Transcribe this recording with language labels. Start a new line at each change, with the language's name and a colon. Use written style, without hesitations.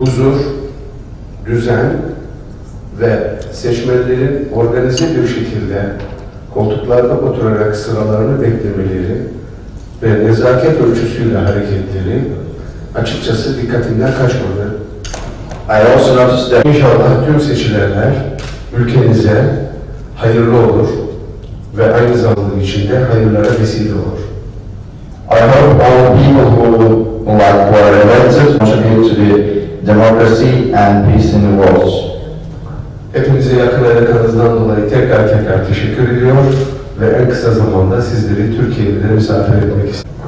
Turkish: huzur, düzen ve seçmenlerin organize bir şekilde koltuklarda oturarak sıralarını beklemeleri ve nezaket ölçüsüyle hareketleri açıkçası dikkatimden kaçmadı.
English: I also noticed that
Turkish: inşallah tüm seçilenler ülkenize hayırlı olur ve aynı zamanda içinde hayırlara vesile olur.
English: I hope all people who like were elected contribute to the democracy and peace in the world.
Turkish: Hepinize yakın arkadaşlarından dolayı tekrar teşekkür ediyor ve en kısa zamanda sizleri Türkiye'ye misafir etmek istiyorum.